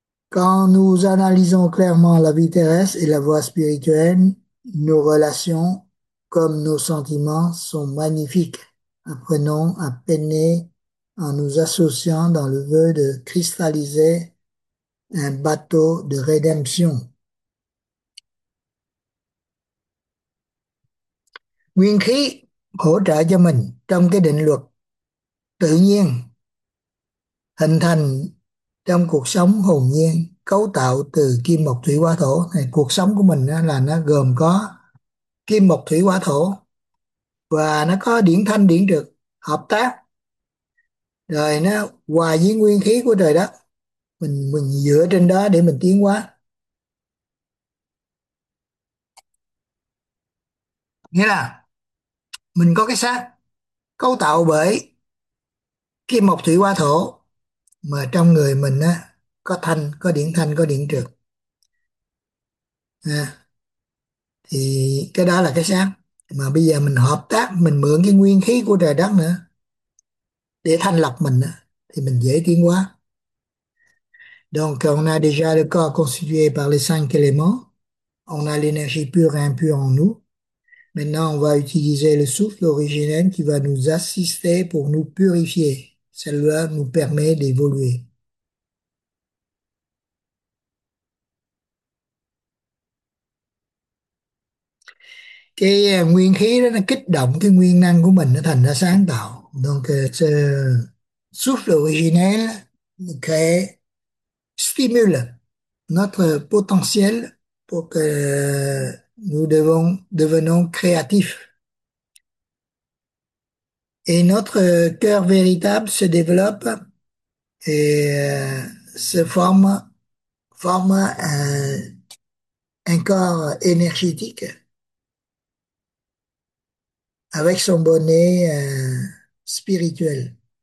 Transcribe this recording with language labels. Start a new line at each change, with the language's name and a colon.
French: Quand nous analysons clairement la vie terrestre et la voie spirituelle, nos relations comme nos sentiments sont magnifiques. Apprenons à peiner en nous associant dans le vœu de cristalliser un bateau de rédemption.
Vietnamese: Nguyên khí hỗ trợ cho mình trong cái định luật tự nhiên hình thành trong cuộc sống hồn nhiên cấu tạo từ kim mộc thủy hỏa thổ. Thì cuộc sống của mình là nó gồm có kim mộc thủy hỏa thổ và nó có điển thanh điển trực hợp tác, rồi nó hòa với nguyên khí của trời đất, mình dựa trên đó để mình tiến hóa. Nghĩa là mình có cái xác cấu tạo bởi kim mộc thủy hỏa thổ, mà trong người mình á có thanh, có điển thanh, có điển trực à. Thì cái đó là cái xác, mà bây giờ mình hợp tác, mình mượn cái nguyên khí của trời đất nữa để thanh lọc mình á, thì mình dễ tiến hóa.
French: Donc on a déjà le corps constitué par les cinq éléments, on a l'énergie pure et impure en nous. Maintenant, on va utiliser le souffle originel qui va nous assister pour nous purifier. Celui-là nous permet d'évoluer.
Vietnamese: Cái nguyên khí đó nó kích động cái nguyên năng của mình, nó thành ra sáng tạo.
French: Donc, ce souffle originel crée, stimule notre potentiel pour que nous devenons créatifs. Et notre cœur véritable se développe et se forme un corps énergétique avec son bonnet spirituel.